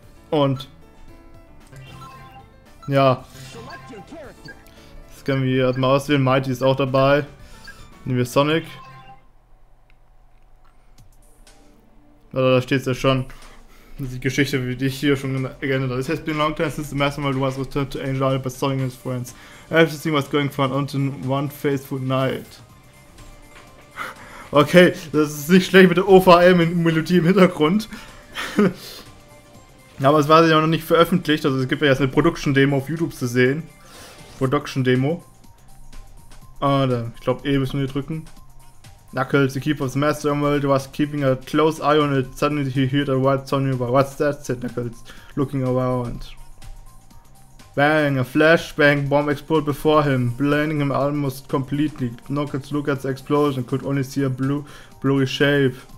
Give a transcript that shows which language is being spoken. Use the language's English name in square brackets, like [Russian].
[German] Und ja, das können wir halt mal auswählen. Mighty ist auch dabei. Nehmen wir Sonic. Also, da steht es ja schon. Die Geschichte, wie dich hier schon geändert hat. [English] It has been long time since the Master Mold was returned to Angel Isle by Sonic and his friends. Everything was going fine until one faithful night. [German] Okay, das ist nicht schlecht mit der OVM-Melodie im Hintergrund. Aber es war ja noch nicht veröffentlicht, also es gibt ja jetzt eine Production-Demo auf YouTube zu sehen. Production-Demo. Ah, dann, ich glaube, E müssen wir hier drücken. [English] Knuckles, the keeper of the Master Emerald, was keeping a close eye on it. Suddenly he heard a white sonic roar. What's that? Said Knuckles, looking around. Bang, a flashbang bomb exploded before him, blinding him almost completely. Knuckles looked at the explosion, could only see a bluey shape.